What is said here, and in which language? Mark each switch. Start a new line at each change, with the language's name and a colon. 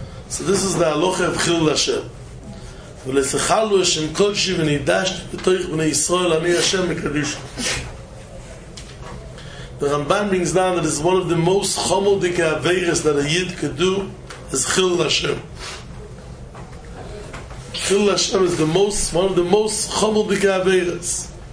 English: So this is the halacha of chilul Hashem.
Hebrew: ולסחלו השם קודשי ונקדשתי בתאריך בני ישראל, אני השם מקדשך.
English: The Ramban brings down that it's one of the most chomodika aveiras that a Yid could do is Chilul Hashem. Chilul Hashem is one of the most chomodika aveiras.